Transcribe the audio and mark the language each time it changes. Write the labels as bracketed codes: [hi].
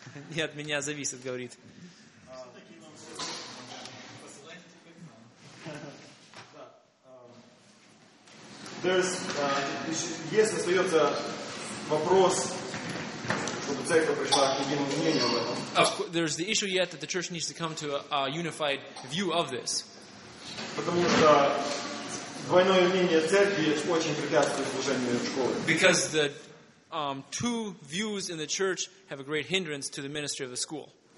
[ru] Я от меня зависит, говорит. Если остается вопрос, чтобы церковь пришла к единому мнению об этом. [en] There's the issue yet that the church needs to come to a unified view of this. [ru] Потому что двойное мнение церкви очень препятствует служению школы. [en] Because the two views in the church have a great hindrance to the ministry of the school.